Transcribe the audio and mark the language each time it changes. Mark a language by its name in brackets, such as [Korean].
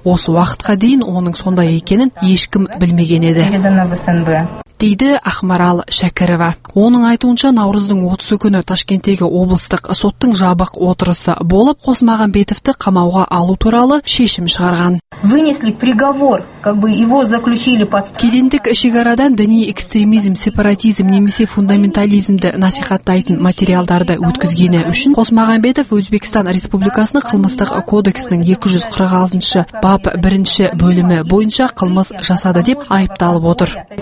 [Kazakh] Осы уақытқа дейін оның сондай екенін ешкім білмеген еді. Дейді Ақмарал Шәкірова. Оның айтуынша, наурыздың 30-сы күні Ташкенттегі облыстық соттың жабық отырысы болып, Қосмағанбетовті қамауға алу туралы шешім шығарған. [Russian] Вынесли приговор, его заключили под [Kazakh] кедендік шекарадан діни экстремизм, сепаратизм немесе фундаментализмді насихаттайтын материалдарды өткізгені үшін Қосмағанбетов Өзбекстан Республикасының қылмыстық кодексінің 246 бап 1 бөлімі бойынша қылмыс жасады деп айыпталып отыр.